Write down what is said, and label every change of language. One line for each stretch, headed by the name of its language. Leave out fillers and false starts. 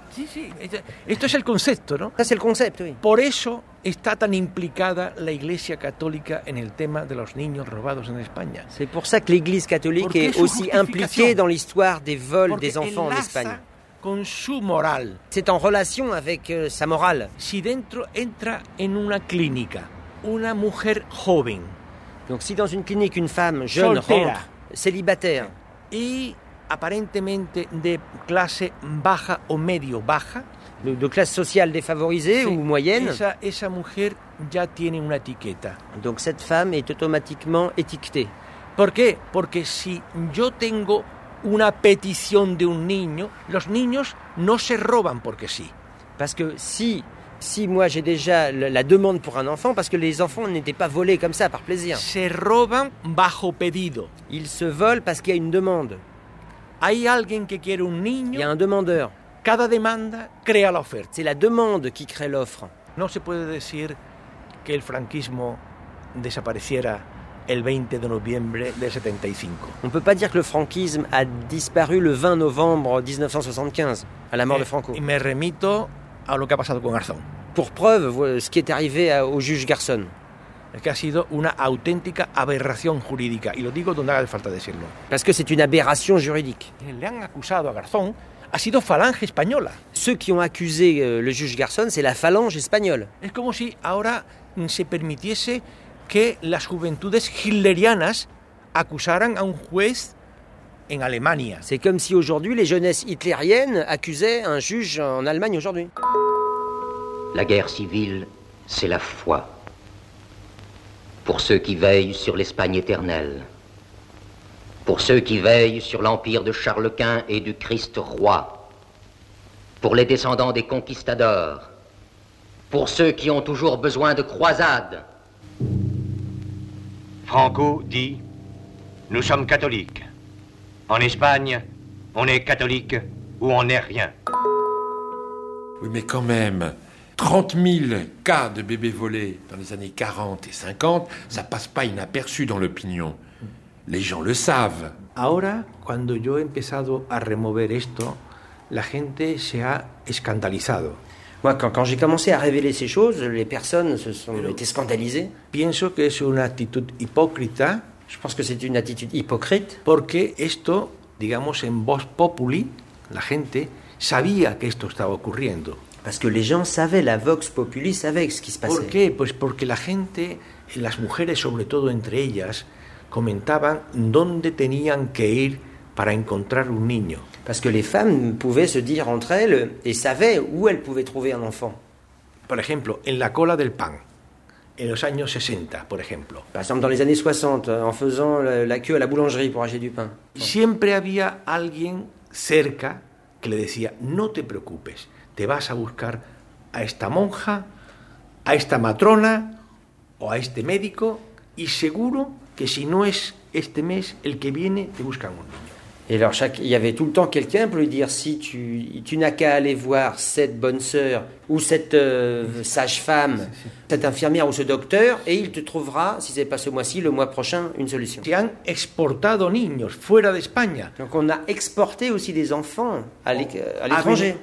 Spanish: Sí, sí. Esto es el concepto, ¿no?
French: Ça, c'est le concept, oui.
Spanish: Por eso está tan implicada la Iglesia Católica en el tema de los niños robados en España.
French: C'est pour ça que l'Église catholique est aussi impliquée dans l'histoire des vols des enfants en Espagne.
Spanish: Con su moral.
French: C'est en relation avec sa morale.
Spanish: Si dentro entra en una clínica una mujer joven.
French: Donc si dans une clinique une femme jeune
Spanish: soltera,
French: rentre célibataire
Spanish: y aparentemente de clase baja o medio baja,
French: de classe sociale défavorisée ou moyenne,
Spanish: esa mujer ya tiene una etiqueta.
French: Donc cette femme est automatiquement étiquetée.
Spanish: ¿Por qué? Porque si yo tengo una petición de un niño, los niños no se roban porque sí.
French: Parce que si moi j'ai déjà la demande pour un enfant, parce que les enfants n'étaient pas volés comme ça par plaisir.
Spanish: Se roban bajo pedido.
French: Ils se volent parce qu'il y a une demande.
Spanish: Hay alguien que quiere un niño.
French: Il y a un demandeur.
Spanish: Cada demanda crea la oferta.
French: C'est la demande qui crée l'offre.
Spanish: No se puede decir que el franquismo desapareciera el 20 de noviembre de 75.
French: On ne peut pas dire que le franquisme a disparu le 20 novembre 1975, à la mort de Franco.
Spanish: Me remito a lo que ha pasado con Garzón.
French: Pour preuve, ce qui est arrivé au juge Garzón.
Spanish: Es que ha sido una auténtica aberración jurídica. Y lo digo donde haga falta decirlo.
French: Parce que c'est une aberration juridique.
Spanish: Le han acusado a Garzón, ha sido Falange Española.
French: Ceux qui ont accusé le juge Garzón, c'est la Falange Espagnole.
Spanish: Es como si ahora se permitiese que las juventudes hitlerianas acusaran a un juez en Alemania.
French: C'est comme si aujourd'hui les jeunesses hitlériennes accusaient un juge en Allemagne aujourd'hui. La guerre civile, c'est la foi. Pour ceux qui veillent sur l'Espagne éternelle. Pour ceux qui veillent sur l'empire de Charles Quint et du Christ roi. Pour les descendants des conquistadors. Pour ceux qui ont toujours besoin de croisades. Franco dit, nous sommes catholiques. En Espagne, on est catholique ou on n'est rien. Oui, mais quand même, 30 000 cas de bébés volés dans les années 40 et 50, ça passe pas inaperçu dans l'opinion. Les gens le savent.
Spanish: Ahora, cuando yo he empezado a remover esto, la gente se ha escandalizado.
French: Moi, quand j'ai commencé à révéler ces choses, les personnes se sont été scandalisées.
Spanish: Pienso que es una actitud hipócrita.
French: Je pense que c'est une attitude hypocrite.
Spanish: Porque esto, digamos, en voz populi, la gente sabía que esto estaba ocurriendo.
French: Parce que les gens savaient, la vox populi savait ce qui se passait.
Spanish: ¿Por qué? Pues porque la gente, las mujeres sobre todo entre ellas, comentaban dónde tenían que ir para encontrar un niño.
French: Parce que les femmes pouvaient se dire entre elles et savaient où elles pouvaient trouver un enfant. Par exemple,
Spanish: en la cola del pan, en los años 60, por ejemplo.
French: Par exemple, dans les années 60, en faisant la queue à la boulangerie pour acheter du pain.
Spanish: Siempre había alguien cerca que le decía, no te preocupes, te vas a buscar a esta monja, a esta matrona o a este médico y seguro que si no es este mes el que viene, te buscan un niño.
French: Et alors, il y avait tout le temps quelqu'un pour lui dire si tu n'as qu'à aller voir cette bonne sœur ou cette sage-femme, cette infirmière ou ce docteur, et il te trouvera, si ce n'est pas ce mois-ci, le mois prochain, une solution.
Spanish: Se han exportado niños fuera de España.
French: Donc, on a exporté aussi des enfants à l'étranger.